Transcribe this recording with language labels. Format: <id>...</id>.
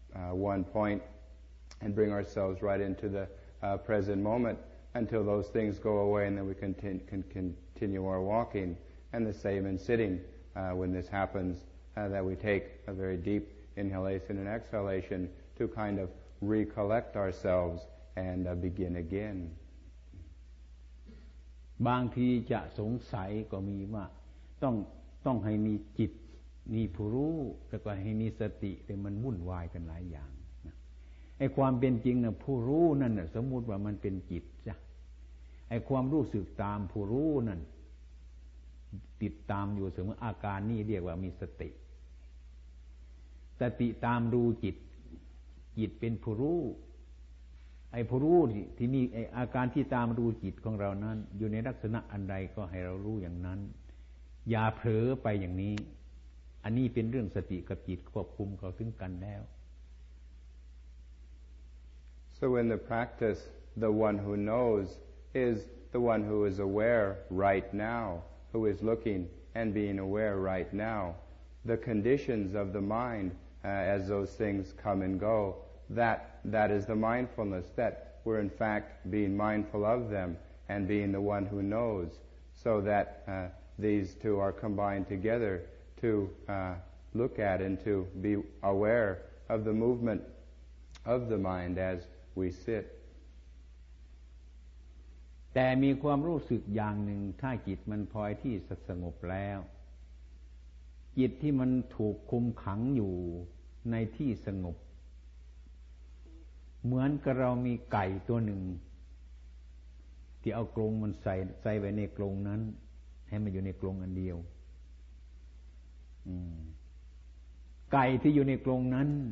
<en>one pointand bring ourselves right into the present moment until those things go away and then we can continue our walking and the same in sitting when this happens that we take a very deep inhalation and exhalation to kind of recollect ourselves and begin again</en> <th>บางทีจะสงสัยก็มีว่าต้องให้มีจิตมีผู้รู้แล้วก็ให้มีสติแต่มันวุ่นวายกันหลายอย่างไอ้ความเป็นจริงน่ะผู้รู้นั่นน่ะสมมุติว่ามันเป็นจิตจ้ะไอ้ความรู้สึกตามผู้รู้นั่นติดตามอยู่เสมออาการนี้เรียกว่ามีสติ สติตามดูจิตจิตเป็นผู้รู้ไอ้ผู้รู้ที่นี่ไอ้อาการที่ตามดูจิตของเรานั้นอยู่ในลักษณะอันใดก็ให้เรารู้อย่างนั้นอย่าเผลอไปอย่างนี้อันนี้เป็นเรื่องสติกับจิตควบคุมเขาถึงกันแล้ว</th> <en>So in the practice, the one who knows is the one who is aware right now, who is looking and being aware right now. The conditions of the mind, as those things come and go, that is the mindfulness, that we're in fact being mindful of them and being the one who knows, so that these two are combined together to look at and to be aware of the movement of the mind aswe sit</en> <th>แต่มีความรู้สึกอย่างหนึ่งถ้าจิตมันพลอยที่สงบแล้วจิตที่มันถูกคุมขังอยู่ในที่สงบเหมือนกับเรามีไก่ตัวหนึ่งที่เอากรงมันใส่ไว้ในกรงนั้นให้มันอยู่ในกรงอันเดียวไก่ที่อยู่ในกรงนั้น</th>